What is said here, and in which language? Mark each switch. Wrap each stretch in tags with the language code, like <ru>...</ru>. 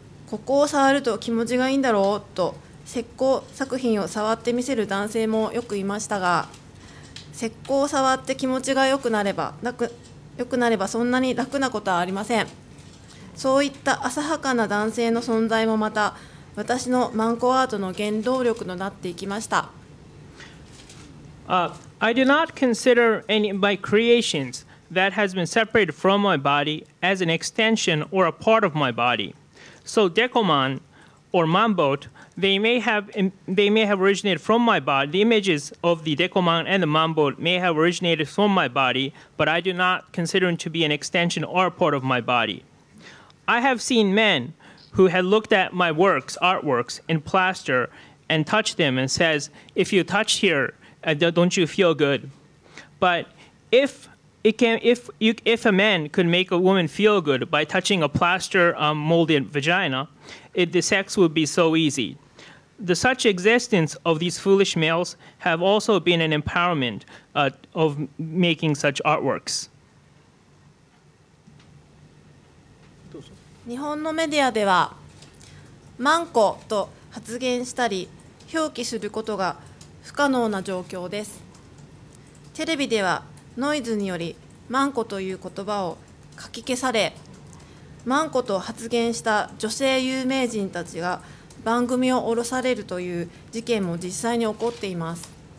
<ja>ここを触ると気持ちがいいんだろうと石膏作品を触ってみせる男性もよくいましたが、石膏を触って気持ちが良くなればそんなに楽なことはありません。そういった浅はかな男性の存在もまた私のマンコアートの原動力となっていきました。</ja> <en>I do not consider any of my creations that has been separated from my body as an extension or a part of my body. So Decoman or Manboat, they may have originated from my body. The images of the Decoman and the Manboat may have originated from my body, but I do not consider them to be an extension or a part of my body. I have seen men who had looked at my artworks in plaster and touched them and says, if you touch here, don't you feel good? But if a man could make a woman feel good by touching a plaster molded vagina, the sex would be so easy. The such existence of these foolish males have also been an empowerment of making such artworks.</en> <ja>日本のメディアではマンコと発言したり表記することが不可能な状況です。テレビではノイズによりマンコという言葉を書き消され、マンコと発言した女性有名人たちが番組を降ろされるという事件も実際に起こっています。</ja>